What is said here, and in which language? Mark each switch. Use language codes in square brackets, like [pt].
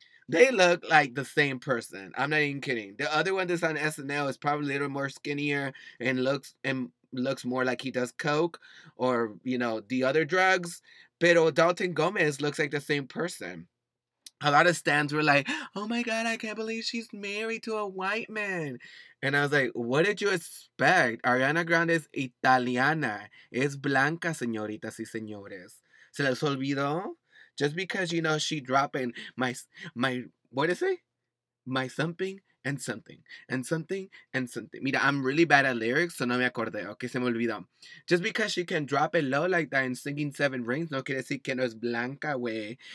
[en] They look like the same person. I'm not even kidding. The other one that's on SNL is probably a little more skinnier and looks more like he does coke or, you know, the other drugs. [es] Pero [en] Dalton Gomez looks like the same person. A lot of stans were like, "Oh my God, I can't believe she's married to a white man." And I was like, what did you expect? Ariana Grande is Italiana. [es] Es blanca, señoritas y señores. Se les olvidó? [en] Just because, you know, she dropping my, what is it? My something and something and something and something. [es] Mira, [en] I'm really bad at lyrics, so [es] no me acordé. [en] Okay, [es] se me olvidó. [en] Just because she can drop it low like that and singing Seven Rings, [es] no quiere decir que no es blanca, güey.